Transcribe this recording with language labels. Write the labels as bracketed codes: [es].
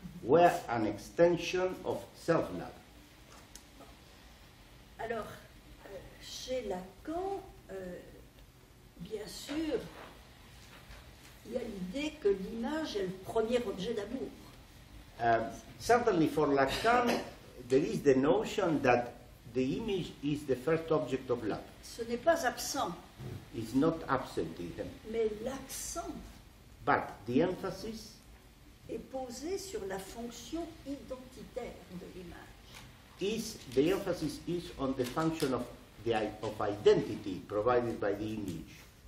[en] Were an extension of self-love. [fr] Alors, chez Lacan, bien sûr, il y a l'idée que l'image est le premier objet d'amour. [en] Certainly for Lacan, there is the notion that the image is the first object of love. [fr] Ce n'est pas absent. [en] It's not absent either. [fr] Mais l'accent. [en] But the emphasis [fr] est posé sur la fonction identitaire de l'image. [en] Is the emphasis is on the function of the of identity provided by the image.